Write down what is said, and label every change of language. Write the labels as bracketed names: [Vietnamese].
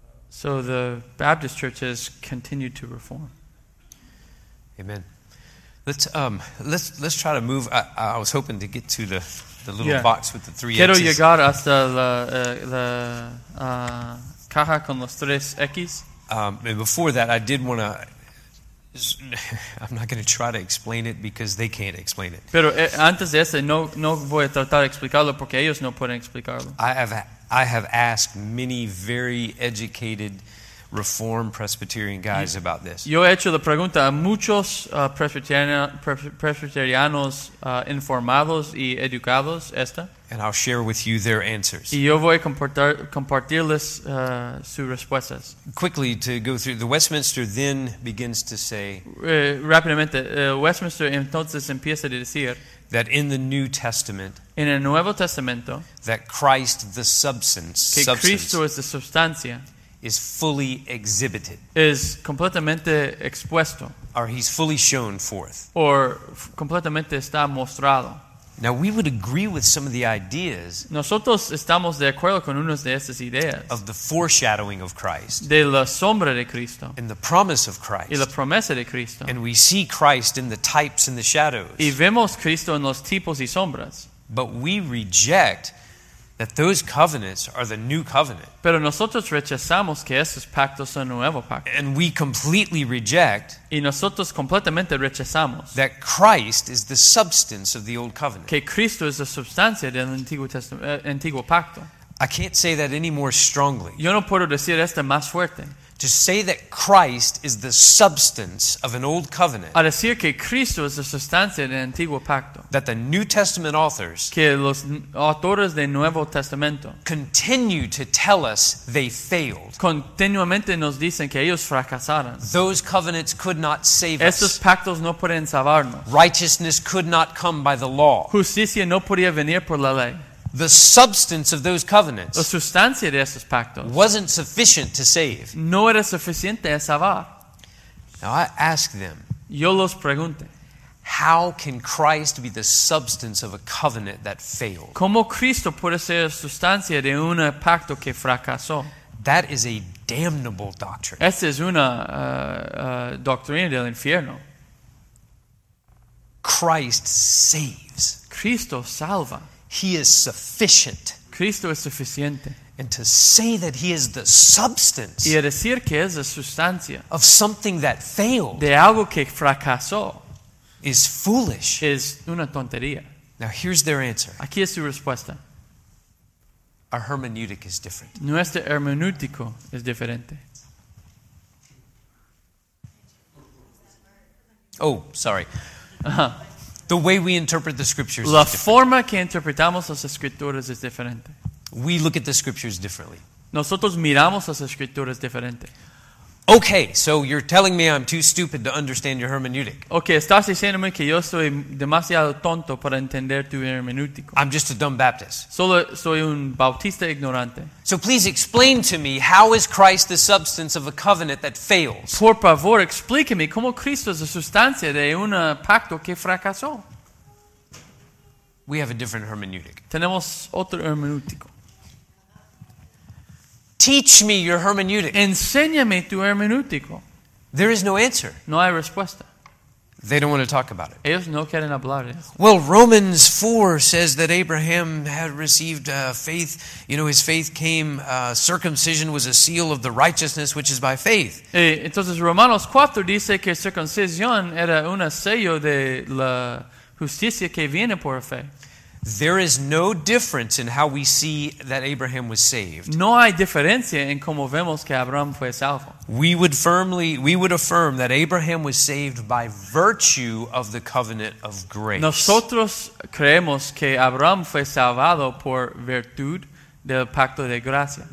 [English] So the Baptist Church has continued to reform. Amen. Let's try to move. I was hoping to get to the little box with the three [Spanish] Quiero [English] X's. [Spanish] Quiero llegar hasta la caja con los tres X's. [English] And before that, I did want to. I'm not going to try to explain it because they can't explain it. [Spanish] Pero antes de ese, no voy a tratar de explicarlo porque ellos no pueden explicarlo. [English] I have asked many very educated Reformed Presbyterian guys about this. [Spanish] Yo he hecho la pregunta a muchos presbiterianos informados y educados esta. [English] And I'll share with you their answers. [Spanish] Y yo voy a compartirles sus respuestas. [English] Quickly to go through, the Westminster then begins to say. [Spanish] Rápidamente, Westminster entonces empieza a decir. [English] That in the New Testament, [Spanish] en el Nuevo Testamento, [English] that Christ, the substance, [Spanish] que Cristo es la sustancia, [English] is fully exhibited, [Spanish] es completamente expuesto, [English] or he's fully shown forth, [Spanish] or completamente está mostrado. [English] Now we would agree with some of the ideas. [Spanish] Nosotros estamos de acuerdo con unas de estas ideas [English] of the foreshadowing of Christ, [Spanish] de la sombra de Cristo, [English] and the promise of Christ, [Spanish] y la promesa de Cristo, [English] and we see Christ in the types and the shadows, [Spanish] y vemos Cristo en los tipos y sombras. [English] But we reject that those covenants are the new covenant. [Spanish] Pero nosotros rechazamos que esos pactos son nuevo pacto. [English] And we completely reject. [Spanish] Y nosotros completamente rechazamos. [English] That Christ is the substance of the old covenant. [Spanish] Que Cristo es la sustancia del antiguo pacto. [English] I can't say that any more strongly. [Spanish] Yo no puedo decir esto más fuerte. [English] To say that Christ is the substance of an old covenant. [Spanish] A decir que Cristo es la sustancia del antiguo pacto. [English] That the New Testament authors. [Spanish] Que los autores del Nuevo Testamento. [English] Continue to tell us they failed. [Spanish] Continuamente nos dicen que ellos fracasaron. [English] Those covenants could not save us. [Spanish] Estos pactos no pueden salvarnos. [English] Righteousness could not come by the law. [Spanish] Justicia no podía venir por la ley. [English] The substance of those covenants, [Spanish] la sustancia de esos pactos, [English] wasn't sufficient to save. [Spanish] No era suficiente a salvar. [English] Now I ask them, [Spanish] yo los pregunté, [English] how can Christ be the substance of a covenant that failed? [Spanish] ¿Cómo Cristo puede ser la sustancia de un pacto que fracasó? [English] That is a damnable doctrine. [Spanish] Esa es una doctrina del infierno. [English] Christ saves. [Spanish] Cristo salva. [English] He is sufficient. [Spanish] Cristo es suficiente. [English] And to say that he is the substance, [Spanish] y a decir que es la sustancia, [English] of something that failed, [Spanish] de algo que fracasó, [English] is foolish. [Spanish] Es una tontería. [English] Now here's their answer. [Spanish] Aquí es su respuesta. [English] Our hermeneutic is different. [Spanish] Nuestro hermenéutico es diferente. [English] Oh, sorry. The way we interpret the scriptures. [Spanish] La forma que interpretamos las escrituras es diferente. [English] We look at the scriptures differently. [Spanish] Nosotros miramos las escrituras diferente. [English] Okay, so you're telling me I'm too stupid to understand your hermeneutic. [Spanish] Okay, estás diciéndome que yo soy demasiado tonto para entender tu hermenéutico. [English] I'm just a dumb Baptist. [Spanish] Solo soy un bautista ignorante. [English] So please explain to me, how is Christ the substance of a covenant that fails? [Spanish] Por favor, explíqueme cómo Cristo es la sustancia de un pacto que fracasó. [English] We have a different hermeneutic. [Spanish] Tenemos otro hermenéutico. [English] Teach me your hermeneutic. [Spanish] Enséñame tu hermenéutico. [English] There is no answer. [Spanish] No hay respuesta. [English] They don't want to talk about it. [Spanish] Ellos no quieren hablar de eso. [English] Well, Romans 4 says that Abraham had received faith. You know, his faith came, circumcision was a seal of the righteousness which is by faith. [Spanish] Entonces, Romanos 4 dice que circuncisión era un sello de la justicia que viene por fe. [English] There is no difference in how we see that Abraham was saved. [Spanish] No hay diferencia en cómo vemos que Abraham fue salvo. [English] We would affirm that Abraham was saved by virtue of the covenant of grace. [Spanish] Nosotros creemos que Abraham fue salvado por virtud del pacto de gracia.